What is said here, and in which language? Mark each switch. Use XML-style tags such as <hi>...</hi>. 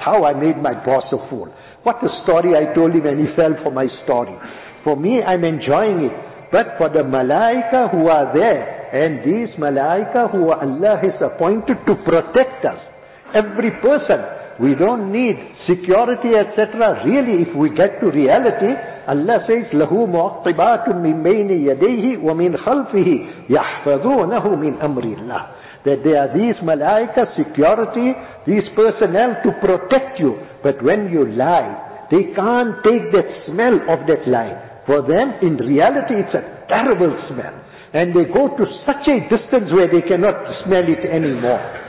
<en>How I made my boss a fool. What a story I told him and he fell for my story. For me, I'm enjoying it. But for the malaika who are there, and these malaika who Allah has appointed to protect us, every person, we don't need security, etc. Really, if we get to reality, Allah says,</en> <ar>لَهُ مُعَقِّبَاتٌ مِنْ بَيْنِ يَدَيْهِ وَمِنْ خَلْفِهِ يَحْفَظُونَهُ مِنْ أَمْرِ اللَّهِ.</ar> <en>That there are these malaika, security, these personnel to protect you. But when you lie, they can't take that smell of that lie. For them, in reality, it's a terrible smell. And they go to such a distance where they cannot smell it anymore.</en>